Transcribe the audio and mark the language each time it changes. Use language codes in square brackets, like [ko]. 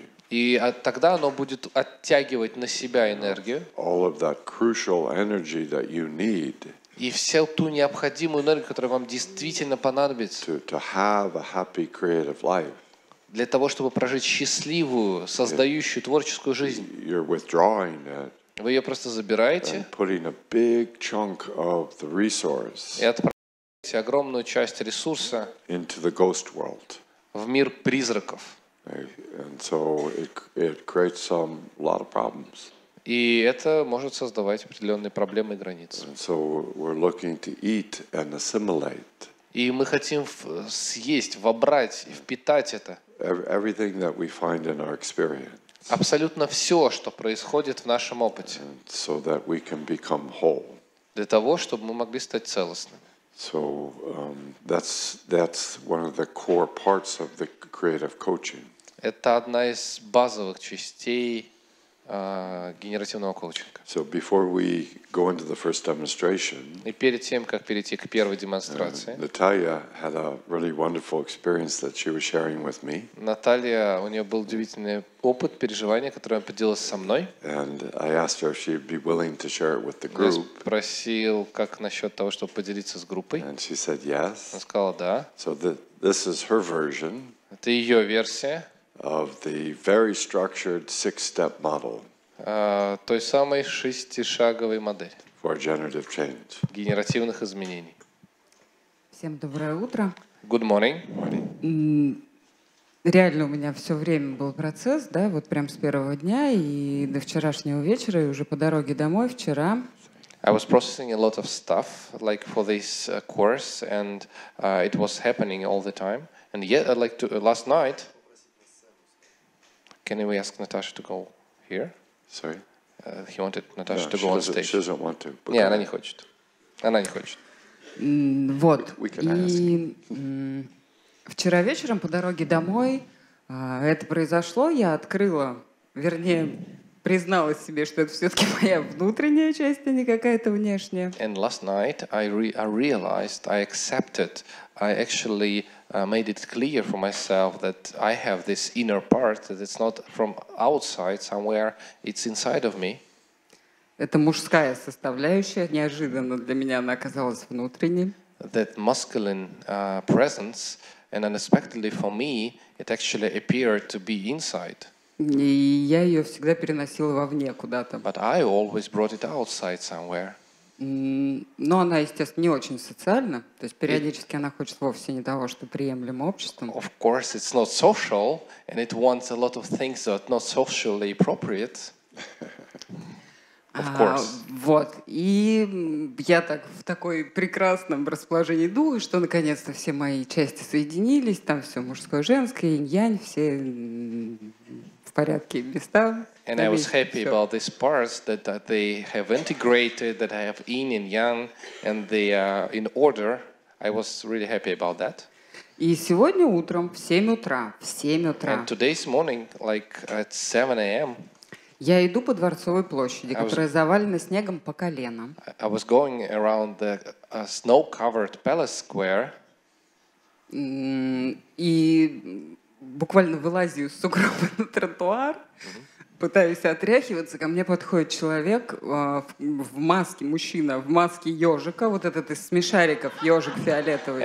[ru] И тогда оно будет оттягивать на себя энергию. [en] All of that crucial energy that you need. [ru] И всю ту необходимую энергию, которая вам действительно понадобится. [en] To have a happy creative life. [ru] Для того, чтобы прожить счастливую, создающую творческую жизнь. [en] You're withdrawing it. [ru] Вы ее просто забираете. [en] And putting a big chunk of the resource. [ru] И отправляете огромную часть ресурса. [en] Into the ghost world. [ru] В мир призраков. [en] And so it creates some lot of problems. [ru] И это может создавать определенные проблемы и границы. [en] And so we're looking to eat and assimilate. [ru] И мы хотим съесть, вобрать и впитать это. [en] Everything that we find in our experience. [ru] Абсолютно все, что происходит в нашем опыте. [en] And so that we can become whole. [ru] Для того, чтобы мы могли стать целостными. [en] So that's one of the core parts of the creative coaching. [ru] Это одна из базовых частей генеративного коучинга. [en] So before we go into the first demonstration. [ru] И перед тем, как перейти к первой демонстрации. [en] Наталья had a really wonderful experience that she was sharing with me. [ru] Наталья, у нее был удивительный опыт, переживание, которое она поделилась со мной. [en] And I asked her if she'd be willing to share it with the group. [ru] Я спросил, как насчет того, чтобы поделиться с группой. [en] And she said yes. [ru] Она сказала да. [en] So this is her version. [ru] Это ее версия. [en] Of the very structured six-step model. [ru] Той самой шестишаговой модели. [en] For generative change. [ru] Генеративных изменений. Всем доброе утро. [en] Good morning. [ru] Реально у меня все время был процесс, да, вот прям с первого дня и до вчерашнего вечера и уже по дороге домой вчера. [en] I was processing a lot of stuff, like for this course, and it was happening all the time. And yet, like to, last night. Can we ask Natasha to go here? Sorry. He wanted Natasha to go on stage. She doesn't want to. [ru] Не, она не хочет. Она не хочет. Вот. [en] We can ask. [ru] И вчера вечером по дороге домой это произошло. Я открыла, вернее, признала себе, что это все-таки моя внутренняя часть, а не какая-то внешняя. [en] And last night I realized, I accepted, I actually made it clear for myself that I have this inner part, that it's not from outside somewhere, it's inside of me. [ru] Это мужская составляющая, неожиданно для меня она оказалась внутренней. [en] That masculine presence, and unexpectedly for me, it actually appeared to be inside. [ru] И я ее всегда переносила вовне куда-то. [en] But I always brought it outside somewhere. [ru] Но она, естественно, не очень социальна. То есть периодически она хочет вовсе не того, что приемлемо обществом. [en] Of course, it's not social, and it wants a lot of things that are not socially appropriate. Of course. [ru] Вот. И я так в такой прекрасном расположении духа, что наконец-то все мои части соединились, там все мужское, женское, инь-янь, все в порядке, места. [en] And I was happy about these parts that, that they have integrated, that I have yin and yang, and they are in order. I was really happy about that. [ru] И сегодня утром в 7 утра, в 7 утра. [en] And today's morning, like at 7 a.m. [ru] Я иду по Дворцовой площади, которая завалена снегом по колено. [en] I was going around the snow-covered Palace Square. [ru] И буквально вылазю из сугроба на тротуар. Пытаюсь отряхиваться, ко мне подходит человек в маске, мужчина в маске ежика, вот этот из смешариков, ежик фиолетовый.